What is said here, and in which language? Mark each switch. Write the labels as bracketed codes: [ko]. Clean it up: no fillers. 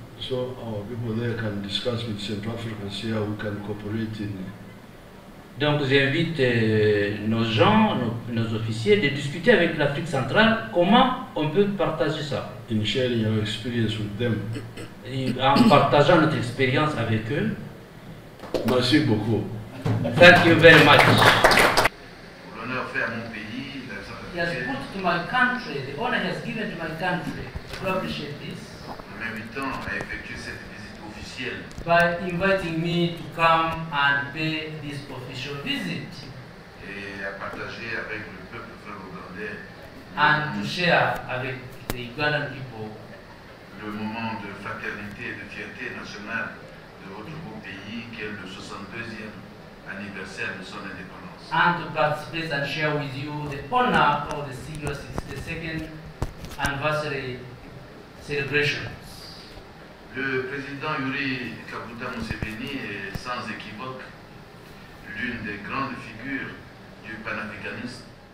[en] So our people there can discuss with Central Africa and see how we can cooperate in. [fr] Donc j'invite nos gens, nos officiers, de discuter avec l'Afrique centrale comment on peut partager ça. [en] In sharing our experience with them. [fr] En partageant notre expérience avec eux. Merci beaucoup. [en] Thank you very much. [fr] Pour l'honneur fait à mon pays, [en] he has put to my country, the honor he has given to my country, to appreciate this. [fr] En m'invitant à effectuer cette visite officielle. [en] By inviting me to come and pay this official visit. [fr] Et à partager avec le peuple franco-ougandais. [en] And to share [fr] avec [en] the Ugandan people. [fr] Le moment de fraternité et de fierté nationale. Votre beau pays, qui est le 62e anniversaire de son indépendance. [en] And to participate and share with you the honor of the 62nd anniversary celebrations. [fr] Le président Yoweri Kaguta Museveni est sans équivoque l'une des grandes figures du panafricanisme.